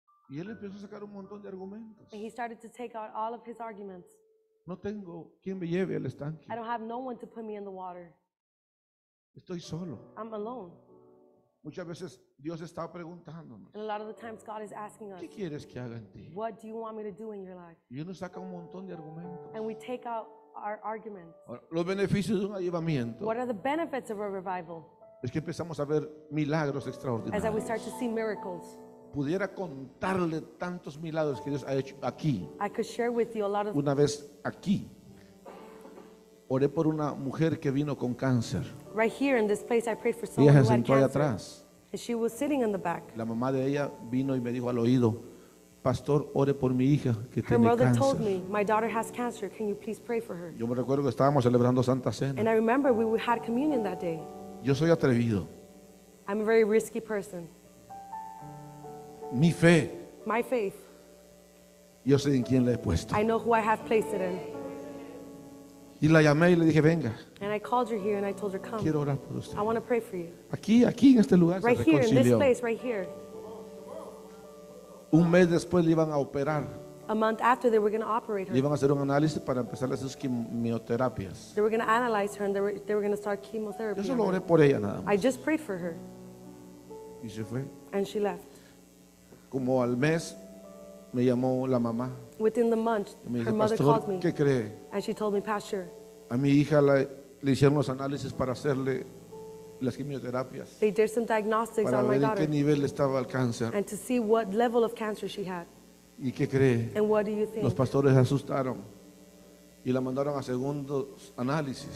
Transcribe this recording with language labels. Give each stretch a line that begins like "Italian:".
Spanish: Y él empezó a sacar un montón de argumentos.
English: And he started to take out all of his arguments.
Spanish: No tengo quien me lleve al estanque.
English: I don't have no one to put me in the water.
Spanish: Estoy solo.
English: I'm alone.
Spanish: Muchas veces Dios está preguntándonos.
English: And a lot of the times God is asking us.
Spanish: ¿Qué quieres que haga en ti?
English: What do you want me to do in your life?
Spanish: Y uno saca un montón de argumentos.
English: And we take out our arguments.
Spanish: Los beneficios de un avivamiento.
English: What are the benefits of a revival?
Spanish: Es que empezamos a ver milagros extraordinarios.
English: As we start to see miracles.
Spanish: Pudiera contarle tantos milagros que Dios ha hecho aquí.
English: I could share with you a lot of.
Spanish: Una vez aquí, oré por una mujer que vino con cáncer.
English: Right here in this place, I prayed for someone who had cancer.
Spanish: Ella se sentó atrás.
English: And she was sitting in the back.
Spanish: La mamá de ella vino y me dijo al oído, pastor, ore por mi hija que tiene cáncer.
English: Her mother told me, my daughter has cancer. Can you please pray for her?
Spanish: Yo me recuerdo que estábamos celebrando Santa Cena.
English: And I remember we had communion that day.
Spanish: Yo soy atrevido.
English: I'm a very risky person.
Spanish: Mi fe.
English: My faith.
Spanish: Yo sé en quién la he puesto.
English: I know who I have placed it in.
Spanish: Y la llamé y le dije, venga.
English: And I called her here and I told her, come.
Spanish: Quiero orar por usted.
English: I want to pray for you.
Spanish: Aquí en este lugar
English: right
Spanish: se reconcilió.
English: Here, in this place, right here.
Spanish: Un mes después le iban a operar.
English: A month after they were going to operate her.
Spanish: Le iban a hacer un análisis para empezar las quimioterapias.
English: They were going to analyze her and they were going to start chemotherapy.
Spanish: Yo solo oré por ella nada más.
English: I just prayed for her.
Spanish: Y se fue.
English: And she left.
Spanish: Como al mes me llamó la mamá.
English: Within the month,
Spanish: me dijo,
English: her mother called me.
Spanish: ¿Qué cree?
English: And she told me, pastor.
Spanish: A mi hija le hicieron los análisis para hacerle las quimioterapias.
English: They did some diagnostics on my daughter.
Spanish: Para ver en qué nivel estaba el cáncer.
English: And to see what level of cancer she had.
Spanish: ¿Y qué cree?
English: And what do you think?
Spanish: Los pastores se asustaron y la mandaron a segundos análisis.